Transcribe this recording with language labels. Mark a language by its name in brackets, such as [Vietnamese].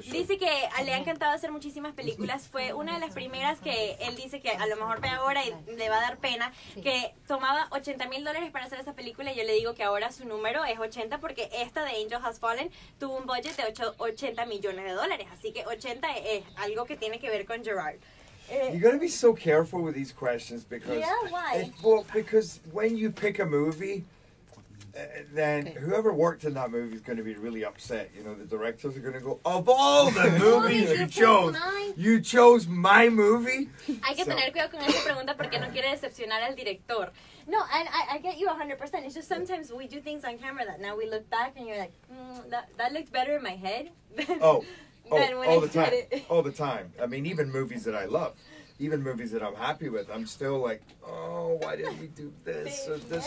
[Spanish] Dice que le ha encantado hacer muchísimas películas. Fue una de las primeras que él dice que a lo mejor ve ahora y le va a dar pena. Sí. Que tomaba $80,000 para hacer esa película. Y yo le digo que ahora su número es 80 porque esta de Angel Has Fallen tuvo un budget de $80 millones. Así que 80 es algo que tiene que ver con Gerard. [English] You gotta be so careful with these questions because. Yeah, why? Well, because when you pick a movie. Then whoever worked in that movie is going to be really upset. You know, the directors are going to go, of all the movies you chose my movie? [Spanish] Hay que tener cuidado con esa pregunta porque no quiere decepcionar al director. [English] No, and I get you 100%. It's just sometimes we do things on camera that now we look back and you're like, that looked better in my head. All the time. I mean, even movies that I love. Even movies that I'm happy with, I'm still like, oh, why didn't we do this or this?